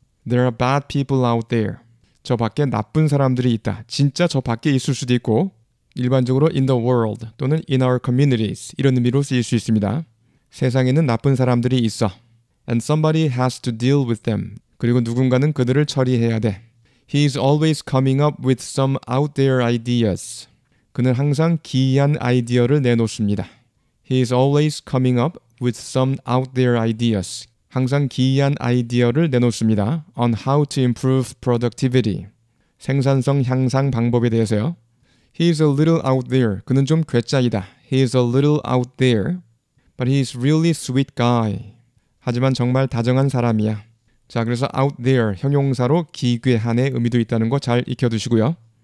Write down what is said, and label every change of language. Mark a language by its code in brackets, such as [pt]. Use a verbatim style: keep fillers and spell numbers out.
[en] There are bad people out there. [ko] 저 밖에 나쁜 사람들이 있다. 진짜 저 밖에 있을 수도 있고 일반적으로 [en] in the world [ko] 또는 [en] in our communities [ko] 이런 의미로 쓰일 수 있습니다. 세상에는 나쁜 사람들이 있어. [en] And somebody has to deal with them. [ko] 그리고 누군가는 그들을 처리해야 돼. [en] He is always coming up with some out there ideas. [ko] 그는 항상 기이한 아이디어를 내놓습니다. [en] He is always coming up with some out there ideas. [ko] 항상 기이한 아이디어를 내놓습니다. [en] On how to improve productivity. [ko] 생산성 향상 방법에 대해서요. [en] He is a little out there. [ko] 그는 좀 괴짜이다. [en] He is a little out there. But he is really sweet guy. [ko] 하지만 정말 다정한 사람이야. 자, 그래서 out there 형용사로 기괴한의 의미도 있다는 거 잘 익혀두시고요.